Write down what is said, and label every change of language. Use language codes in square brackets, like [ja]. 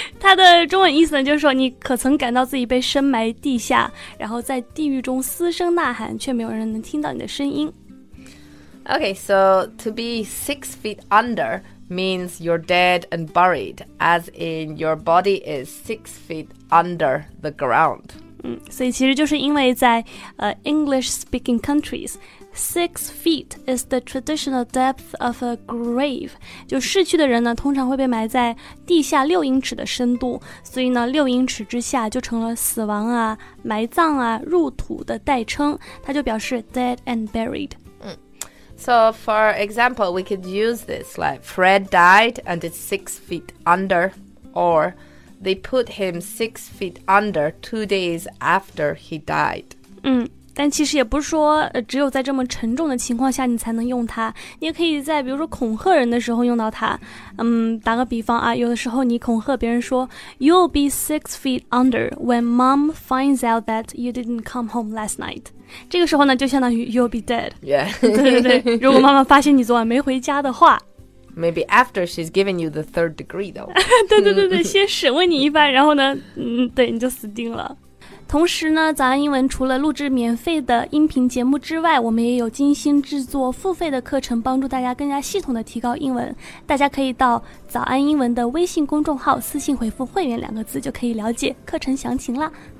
[zh] 它的中文意思呢，就是说你可曾感到自己被深埋地下，然后在地狱中嘶声呐喊，却没有人能听到你的声音。 [en] Okay, so to be 6 feet under means you're dead and buried, as in your body is 6 feet under the ground. [zh] 所以其实就是因为在、 [en] English speaking countries, 6 feet is the traditional depth of a grave. [zh] 就逝去的人呢通常会被埋在地下6英尺的深度所以呢6英尺之下就成了死亡啊埋葬啊入土的代称它就表示 [en] dead and buried. So for example, we could use this like Fred died and it's 6 feet under or... They put him 6 feet under 2 days after he died. [zh] 但其实也不是说、只有在这么沉重的情况下你才能用它。你也可以在比如说恐吓人的时候用到它。打个比方啊，有的时候你恐吓别人说 [en] You'll be 6 feet under when mom finds out that you didn't come home last night. [zh] 这个时候呢就相当于 [en] You'll be dead. Yeah. [zh] 对对对，如果妈妈发现你昨晚没回家的话。 [en] Maybe after she's given you the third degree, though. [zh] 对对对对，先审问你一番，然后呢，对，你就死定了。同时呢，早安英文除了录制免费的音频节目之外，我们也有精心制作付费的课程，帮助大家更加系统的提高英文。大家可以到早安英文的微信公众号私信回复会员两个字，就可以了解课程详情啦。